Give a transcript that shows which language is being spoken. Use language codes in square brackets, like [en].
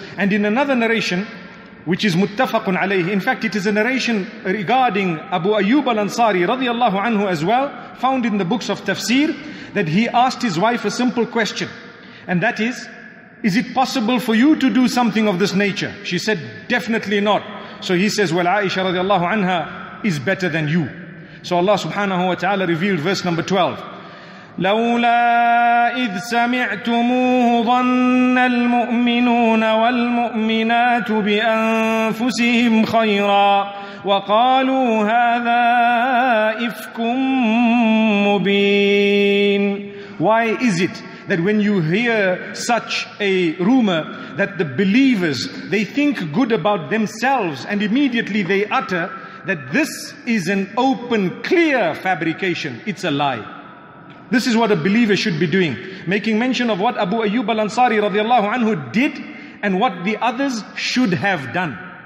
[en] And in another narration, which is muttafaqun alayhi, in fact, it is a narration regarding Abu Ayyub al-Ansari radiallahu anhu as well, found in the books of tafsir, that he asked his wife a simple question, and that is it possible for you to do something of this nature? She said, "Definitely not." So he says, "Well, Aisha radiallahu anha is better than you." So Allah subhanahu wa ta'ala revealed verse number 12. [ar] لولا إذ سمعتموه ظن المؤمنون والمؤمنات بأنفسهم خيرا وقالوا هذا إفك مبين. [en] Why is it that when you hear such a rumor that the believers, they think good about themselves, and immediately they utter that this is an open, clear fabrication, it's a lie? This is what a believer should be doing, making mention of what Abu Ayyub al-Ansari radiallahu anhu did and what the others should have done.